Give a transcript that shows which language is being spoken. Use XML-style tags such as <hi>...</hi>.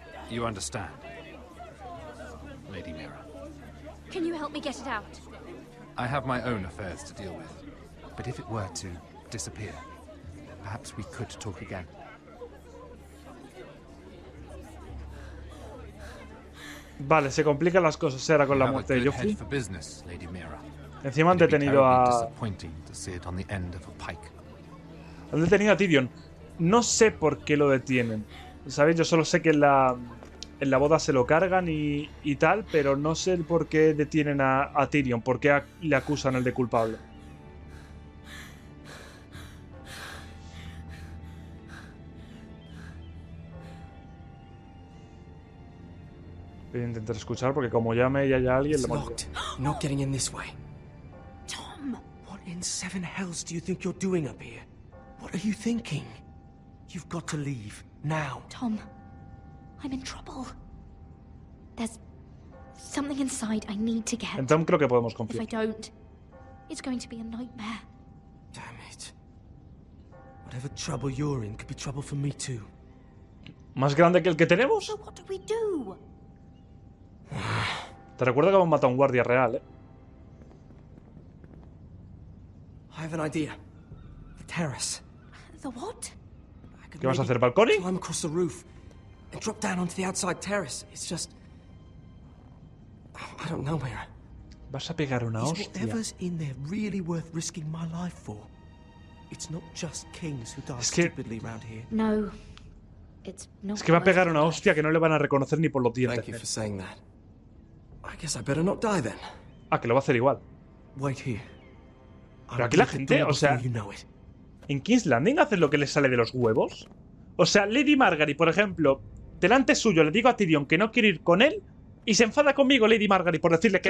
<en>You understand, Lady Mira. Can you help me get it out? I have my own affairs to deal with, but if it were to disappear, perhaps we could talk again.</en> <es>Vale, se complican las cosas ahora con la muerte de Joffrey.</es> <en>For business, Lady Mira.</en> <es>Encima han detenido a... Han detenido a Tyrion. No sé por qué lo detienen. ¿Sabéis? Yo solo sé que en la boda se lo cargan y tal, pero no sé el por qué detienen a Tyrion, por qué le acusan al de culpable. Voy a intentar escuchar porque como llame y haya alguien lo mando.</es> <en>No getting in this way. Tom, what in seven hells do you think you're doing up here? What are you thinking? You've got to leave now. Tom, I'm in trouble. There's something inside I need to get.</en> <es>En Tom creo que podemos confiar.</es> <en>If I don't, it's going to be a nightmare. Damn it. Whatever trouble you're in could be trouble for me too.</en> <es>¿Más grande que el que tenemos?</es> <en>So what do we do?</en> <es>Te recuerdo que hemos matado a un guardia real, ¿eh?</es> <en>I have an idea. The terrace. The what?</en> <es>¿Qué vas a hacer, balcony?</es> <en>Climb across the roof and drop down onto the outside terrace. It's just I don't know where.</en> <es>Vas a pegar una hostia.</es> <en>Whatever's in there really worth risking my life for. It's not just kings who die stupidly around here. No. It's not.</en> <es>Es que va a pegar una hostia que no le van a reconocer ni por los dientes.</es> <en>Thank you for saying that. I guess I better not die then.</en> <es>Ah, que lo va a hacer igual.</es> <en>Wait here.</en> <es>Pero aquí la gente, o sea, ¿en King's Landing hacen lo que les sale de los huevos? O sea, Lady Margaery, por ejemplo, delante suyo le digo a Tyrion que no quiere ir con él y se enfada conmigo Lady Margaery por decirle que</es>